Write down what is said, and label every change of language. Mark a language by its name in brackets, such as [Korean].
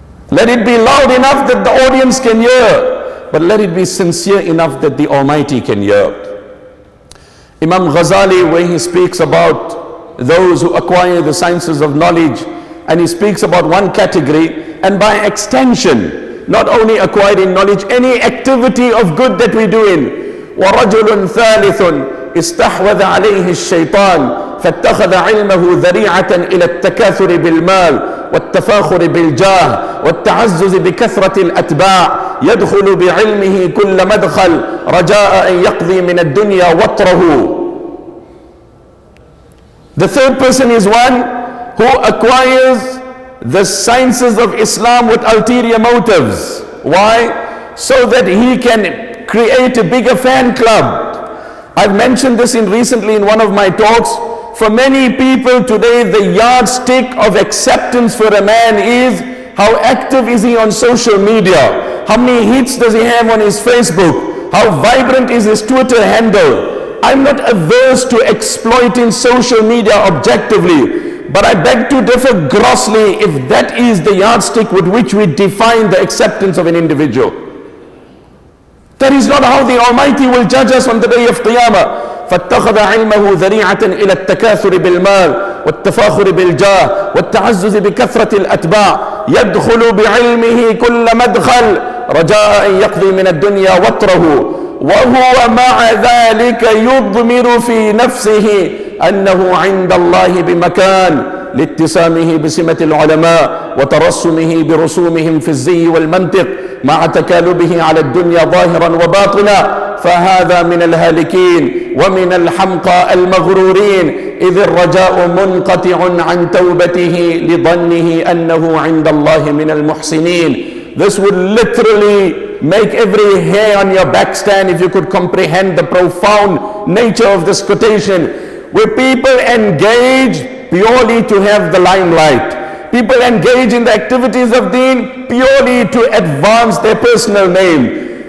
[English] Let it be loud enough that the audience can hear, but let it be sincere enough that the Almighty can hear. Imam Ghazali, when he speaks about those who acquire the sciences of knowledge, and he speaks about one category, and by extension, not only acquiring knowledge, any activity of good that we do in. [Arabic] وَرَجُلٌ ثَالِثٌ إِسْتَحْوَذَ عَلَيْهِ الشَّيْطَانِ فَاتَّخَذَ عِلْمَهُ ذَرِيعَةً إِلَى التَّكَاثُرِ بِالْمَالِ والتفاخر بالجاه والتعزز بكثرة الأتباع يدخل بعلمه كل مدخل رجاء أن يقضي من الدنيا وطره. [English] The third person is one who acquires the sciences of Islam with ulterior motives. Why? So that he can create a bigger fan club. I've mentioned this recently in one of my talks. For many people today, the yardstick of acceptance for a man is how active is he on social media? How many hits does he have on his Facebook? How vibrant is his Twitter handle? I'm not averse to exploiting social media objectively, but I beg to differ grossly if that is the yardstick with which we define the acceptance of an individual. That is not how the Almighty will judge us on the day of Qiyamah. [Arabic] فَاتَّخَذَ عِلْمَهُ ذَرِيعَةً إِلَى التَّكَاثُرِ بِالْمَالِ وَالتَّفَاخُرِ بِالْجَاهِ وَالتَّعَزُّزِ بِكَثْرَةِ الْأَتْبَاعِ يَدْخُلُ بِعِلْمِهِ كُلَّ مَدْخَلٍ رَجَاءَ أَنْ يَقْضِي مِنَ الدُّنْيَا وَطْرَهُ وَهُوَ مَعَ ذَلِكَ يُضْمِرُ فِي نَفْسِهِ أَنَّهُ عِنْدَ اللَّهِ بِمَكَانٍ لاتسامه بسمة العلماء وترسمه برسومهم في الزي والمنطق مع تكالبه على الدنيا ظاهرا وباطنا فهذا من الهالكين ومن الحمقى المغرورين إذ الرجاء منقطع عن توبته لظنه أنه عند الله من المحسنين. [English] This would literally make every hair on your back stand if you could comprehend the profound nature of this quotation. Where people engage purely to have the limelight. People engage in the activities of deen purely to advance their personal name.